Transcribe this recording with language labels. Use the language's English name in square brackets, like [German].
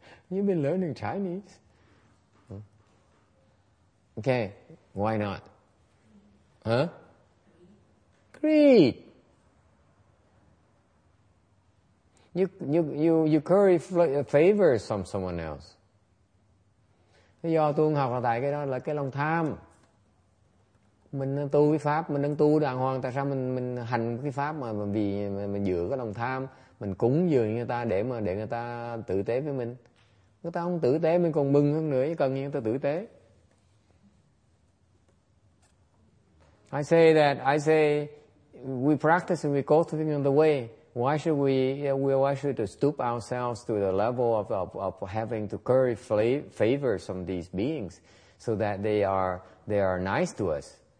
[English] You've been learning Chinese. Okay, why not? Huh? Greed. You curry favors from someone else. [Vietnamese] Do tôi không học là tại cái đó là cái lòng tham. Mình tu cái pháp, mình đang tu đàng hoàng, tại sao mình hành cái pháp mà vì mình dựa cái lòng tham, mình cúng dường người ta để người ta tử tế với mình. Người ta không tử tế mình còn mừng hơn nữa, chứ cần người ta tử tế. [English] I say we practice and we cultivate on the way, Why should stoop ourselves to the level of having to curry favor from these beings so that they are nice to us?